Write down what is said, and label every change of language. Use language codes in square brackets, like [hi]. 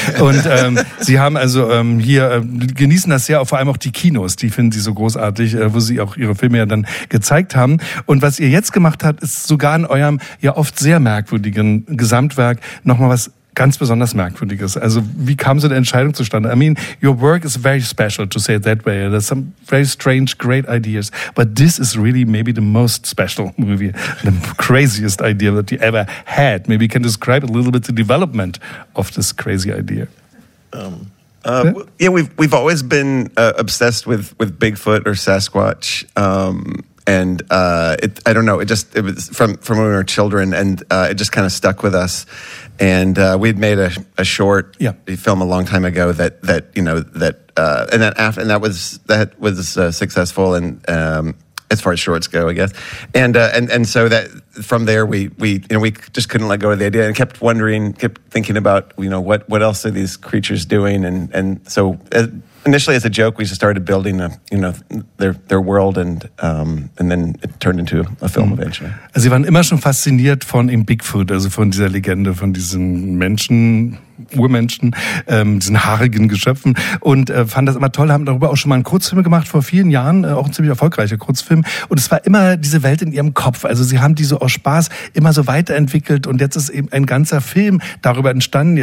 [de] Und Sie haben also hier, genießen das sehr, vor allem auch die Kinos, die finden Sie so großartig, wo Sie auch Ihre Filme ja dann gezeigt haben. Und was ihr jetzt gemacht habt, ist sogar in eurem ja oft sehr merkwürdigen Gesamtwerk nochmal was ganz besonders Merkwürdiges. Also, wie kam so eine Entscheidung zustande? [en] I mean, your work is very special, to say it that way. There's some very strange, great ideas. But this is really maybe the most special movie, the craziest idea that you ever had. Maybe you can describe a little bit the development of this crazy idea. We've always been obsessed with Bigfoot or Sasquatch. It was from when we were children, and it just kind of stuck with us. And we'd made a short film a long time ago that was successful and as far as shorts go, I guess. And so that from there we just couldn't let go of the idea and kept thinking about, you know, what else are these creatures doing, and so. Initially, as a joke, we just started building their world, and then it turned into a film eventually. [de] Also, Sie waren immer schon fasziniert von dem Bigfoot, also von dieser Legende, von diesen Menschen, Urmenschen, diesen haarigen Geschöpfen, und fand das immer toll, haben darüber auch schon mal einen Kurzfilm gemacht vor vielen Jahren, auch ein ziemlich erfolgreicher Kurzfilm, und es war immer diese Welt in ihrem Kopf, also sie haben die so aus Spaß immer so weiterentwickelt, und jetzt ist eben ein ganzer Film darüber entstanden.